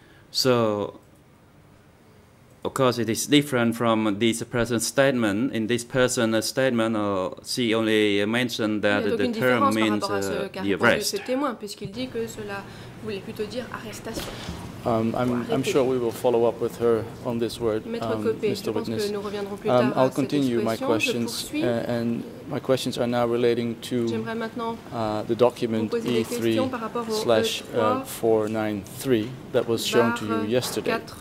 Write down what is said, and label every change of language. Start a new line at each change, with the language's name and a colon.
English: So, of course, it is different from this person's statement. In this person's statement, she only mentioned that the term means the arrest.
French: Ce témoin, puisqu'il dit que cela voulait plutôt dire arrestation.
English: I'm sure we will follow up with her on this word, Mr. Witness. I'll continue my questions, and my questions are now relating to the document E3/493 that was shown to you yesterday.